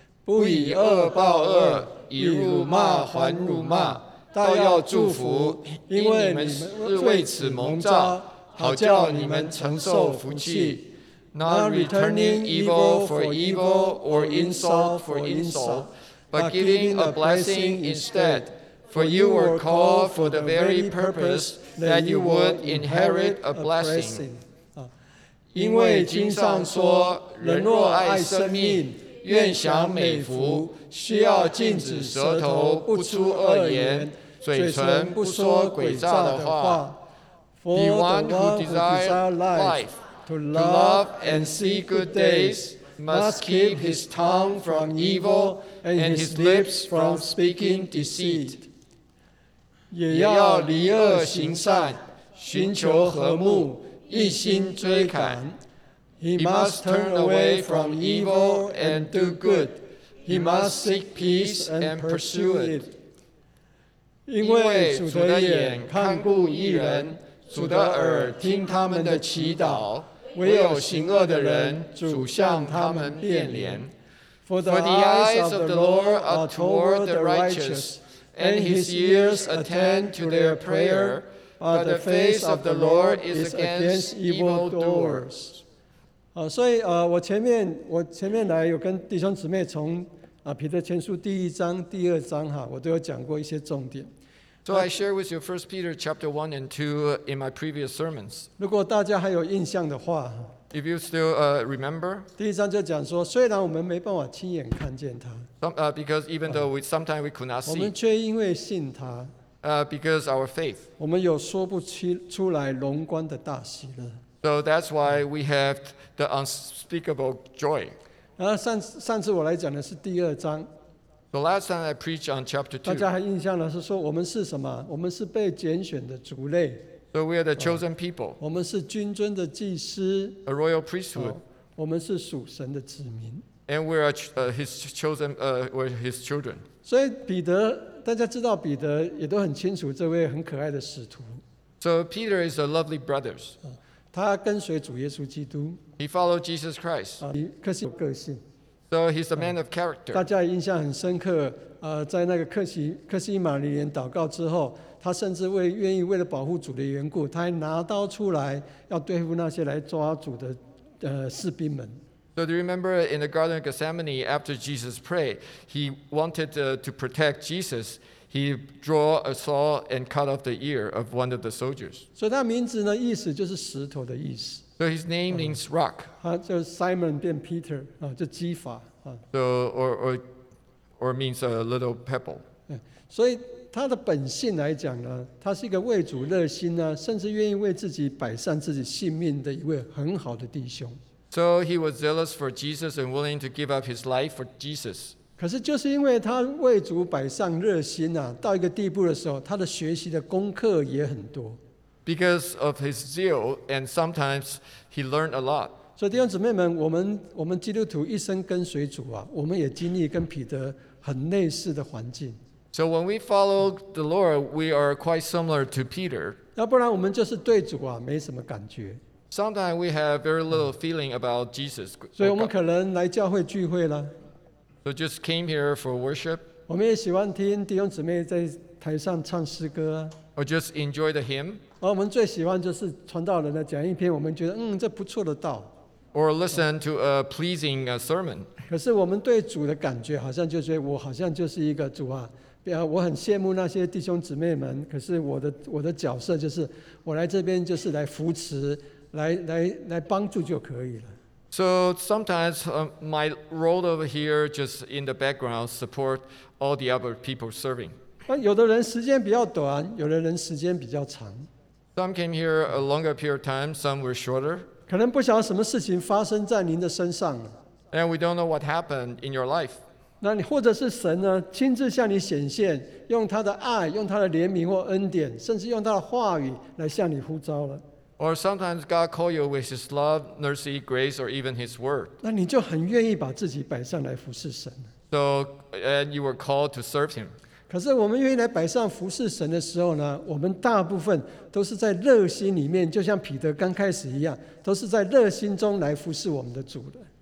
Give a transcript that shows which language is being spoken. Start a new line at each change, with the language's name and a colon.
Chinese: 不以恶报恶以辱骂还辱骂倒要祝福因为你们是为此蒙召好叫你们承受福气
English: not returning evil for evil or insult for insult But giving a blessing instead, for you were called for the very purpose that you would inherit a blessing.
Chinese: 因为经上说，人若爱生命，愿享美福，需要禁止舌头不出恶言，嘴唇不说诡诈的话。
English: For the one who desires life, to love and see good days. Must keep his tongue from evil and his lips from speaking deceit.
Chinese: 也要离恶行善，寻求和睦，一心追赶。
English: He must turn away from evil and do good. He must seek peace and pursue it.
Chinese: 因为主的眼看顾义人，主的耳听他们的祈祷。唯有行恶的人，主向他们变脸。
English: For the eyes of the Lord are toward the righteous, and his ears attend to their prayer, but the face of the Lord is against evildoers.
Chinese: 所以我前面来有跟弟兄姊妹从彼得前书第一章、第二章我都有讲过一些重点。
English: So I share with you 1 Peter chapter 1 and 2 in my previous sermons.
Chinese: 如果大家还有印象的话
English: If you still remember,
Chinese: 第一章就讲说，虽然我们没办法亲眼看见他
English: Because even though sometimes we could not see,
Chinese: 我们却因为信他
English: Because our faith,
Chinese: 我们有说不出来荣光的大喜乐
English: So that's why we have the unspeakable joy.
Chinese: 然后上次我来讲的是第二章
English: The last time I preached on chapter 2,
Chinese: 大家还印象呢？是说我们是什么？我们是被拣选的族类。
English: So we are the chosen people.
Chinese: 我们是君尊的祭司。
English: A royal priesthood.
Chinese: 我们是属神的子民。
English: And we are his chosen, we're his children.
Chinese: 所以彼得，大家知道彼得也都很清楚这位很可爱的使徒。
English: So Peter is a lovely brother.
Chinese: 他跟随主耶稣基督。
English: He followed Jesus Christ.
Chinese: 可是有个性。
English: So he's a man of character.
Chinese: 大家印象很深刻，在那个克西马尼园祷告之后，他甚至为了保护主的缘故，他还拿刀出来要对付那些来抓主的士兵们。
English: So do you remember in the Garden of Gethsemane after Jesus prayed, he wanted to protect Jesus. He drew a saw and cut off the ear of one of the soldiers.
Chinese: 所以他名字呢，意思就是石头的意思。
English: So his name means rock.
Chinese: 他就 Simon 变 Peter 就基法
English: So or means a little pebble.
Chinese: 所以他的本性来讲呢，他是一个为主热心呢，甚至愿意为自己摆上自己性命的一位很好的弟兄。
English: So he was zealous for Jesus and willing to give up his life for Jesus.
Chinese: 可是就是因为他为主摆上热心到一个地步的时候，他的学习的功课也很多。
English: Because of his zeal, and sometimes he learned a lot.
Chinese: So, 弟兄姊妹们，我们基督徒一生跟随主我们也经历跟彼得很类似的环境。
English: So, when we follow the Lord, we are quite similar to Peter.
Chinese: 要不然我们就是对主没什么感觉。
English: Sometimes we have very little feeling about Jesus.
Chinese: 所以我们可能来教会聚会了。
English: So, just came here for worship.
Chinese: 我们也喜欢听弟兄姊妹在台上唱诗歌
English: Or just enjoy the hymn.
Chinese: 我们最喜欢就是传道人的讲一篇，我们觉得这不错的道。
English: or listen to a pleasing sermon.
Chinese: 可是我们对主的感觉好像就是我好像就是一个主啊，我很羡慕那些弟兄姊妹们，可是我的角色就是我来这边就是来扶持，来帮助就可以了。
English: So sometimes my role over here just in the background support all the other people serving.
Chinese: 有的人时间比较短，有的人时间比较长。
English: Some came here a longer period of time, some were shorter.
Chinese: 可能不晓得什么事情发生在您的身上。
English: And we don't know what happened in your life.
Chinese: 那你或者是神呢，亲自向你显现，用他的爱，用他的怜悯或恩典，甚至用他的话语来向你呼召了。
English: Or sometimes God calls you with His love, mercy, grace, or even His word.
Chinese: 那你就很愿意把自己摆上来服侍神。
English: So, and you were called to serve Him.
Chinese: 可是我们愿意来摆上服侍神的时候呢，我们大部分都是在热心里面，就像彼得刚开始一样，都是在热心中来服侍我们的主的。